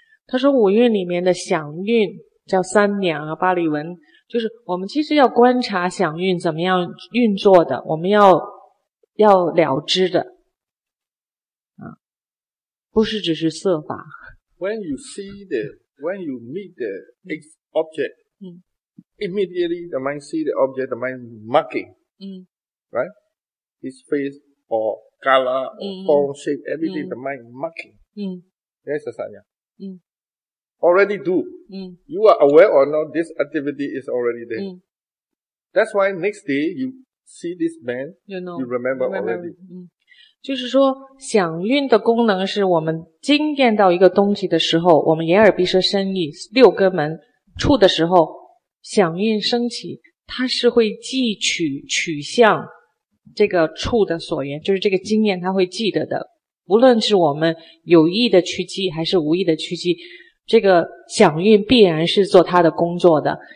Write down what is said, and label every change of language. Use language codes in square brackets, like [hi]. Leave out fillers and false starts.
[zh] 他说五蕴里面的想蕴叫三娘啊，巴利文。就是我们其实要观察想运怎么样运作的，我们要了知的，不是只是色法。 [en] When you see the, when you meet the object, immediately the mind see the object, the mind marking, right? His face or color or form shape, everything the mind marking. That's the sanya. Already do. You are aware or not, this activity is already there. That's why next day you see this man, you know, you remember already. [zh] 就是说想运的功能是我们经验到一个东西的时候，我们眼耳鼻舌身意六根门触的时候，想运升起，它是会记取取向这个触的所缘，就是这个经验它会记得的，无论是我们有意的去记还是无意的去记，这个想运必然是做它的工作的。